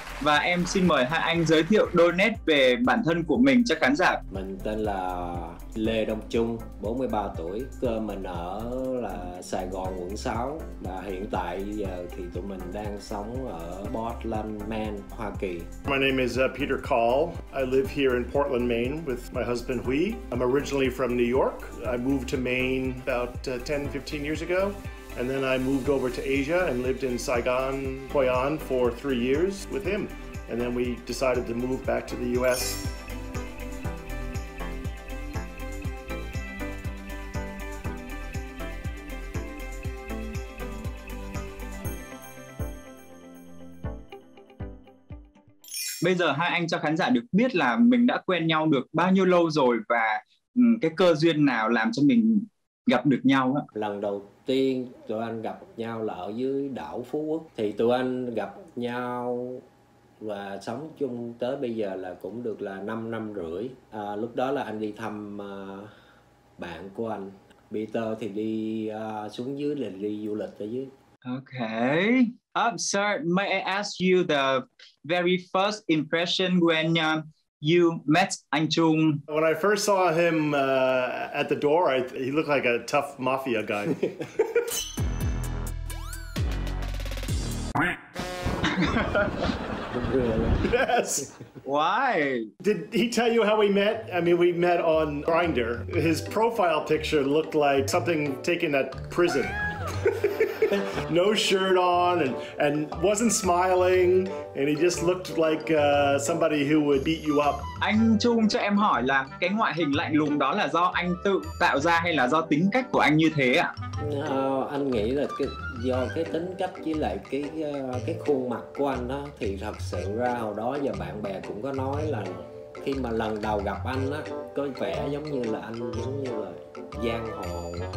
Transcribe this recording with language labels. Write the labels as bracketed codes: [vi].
[vi] Và em xin mời hai anh giới thiệu đôi nét về bản thân của mình cho khán giả. Mình tên là Lê Đông Trung, 43 tuổi. Mình ở là Sài Gòn, quận 6. Và hiện tại giờ thì tụi mình đang sống ở Portland, Maine, Hoa Kỳ. [en] My name is Peter Call. I live here in Portland, Maine with my husband Huy. I'm originally from New York. I moved to Maine about 10-15 years ago. And then I moved over to Asia and lived in Saigon, Hoi An for 3 years with him. And then we decided to move back to the US. [vi] Bây giờ hai anh cho khán giả được biết là mình đã quen nhau được bao nhiêu lâu rồi và cái cơ duyên nào làm cho mình gặp được nhau đó. Lần đầu tiên tụi anh gặp nhau là ở dưới đảo Phú Quốc. Thì tụi anh gặp nhau và sống chung tới bây giờ là cũng được là 5 năm rưỡi. Lúc đó là anh đi thăm bạn của anh. Peter thì đi xuống dưới là đi du lịch ở dưới. [en] Okay. Sir, may I ask you the very first impression when you met Anh Trung? When I first saw him at the door, he looked like a tough mafia guy. Yes. Why? Did he tell you how we met? I mean, we met on Grindr. His profile picture looked like something taken at prison. No shirt on and wasn't smiling and he just looked like somebody who would beat you up. [vi] Anh Trung, cho em hỏi là cái ngoại hình lạnh lùng đó là do anh tự tạo ra hay là do tính cách của anh như thế ạ? Anh nghĩ là do cái tính cách với lại cái khuôn mặt của anh đó. Thì thật sự ra hồi đó giờ bạn bè cũng có nói là khi mà lần đầu gặp anh á, có vẻ giống như là anh giống như là giang hồ